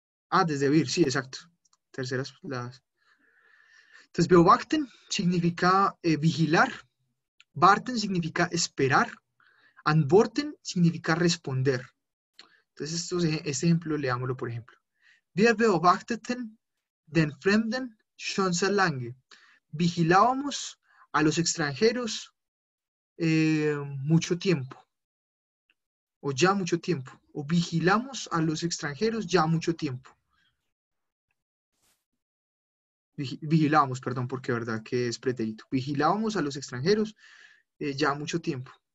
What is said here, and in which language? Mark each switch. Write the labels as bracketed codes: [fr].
[es] Ah, desde vir, sí, exacto. Terceras las. Entonces, beobachten significa vigilar. Warten significa esperar. Antworten significa responder. Entonces, este ejemplo, leámoslo por ejemplo. [de] Wir beobachteten den Fremden schon sehr lange. [es] Vigilábamos a los extranjeros mucho tiempo. O ya mucho tiempo. O vigilamos a los extranjeros ya mucho tiempo. Vigilábamos, perdón, porque verdad que es pretérito. Vigilábamos a los extranjeros ya mucho tiempo.